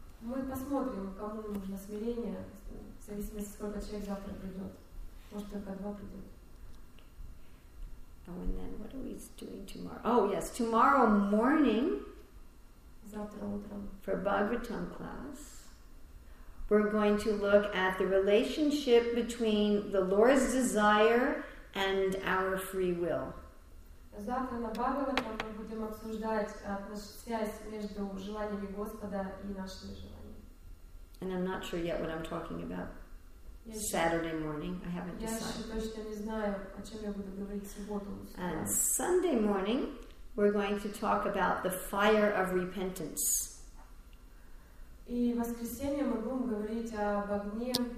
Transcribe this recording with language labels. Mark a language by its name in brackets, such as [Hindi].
[Russian] Мы посмотрим, кому нужно смирение, в зависимости, сколько человек завтра придет. Может, только два придет. [English] Oh, and then what are we doing tomorrow? Oh, yes, tomorrow morning, [Russian] завтра утром, [English] for Bhagavatam class, we're going to look at the relationship between the Lord's desire and our free will. [Russian] Завтра на Бхагаватам мы будем обсуждать связь между желаниями Господа и нашими желаниями. [English] And I'm not sure yet what I'm talking about. Saturday morning, I haven't decided. [Russian] Я еще точно не знаю, о чем я буду говорить в субботу. [English] And Sunday morning, we're going to talk about the fire of repentance. [Russian] И в воскресенье мы будем говорить об огне.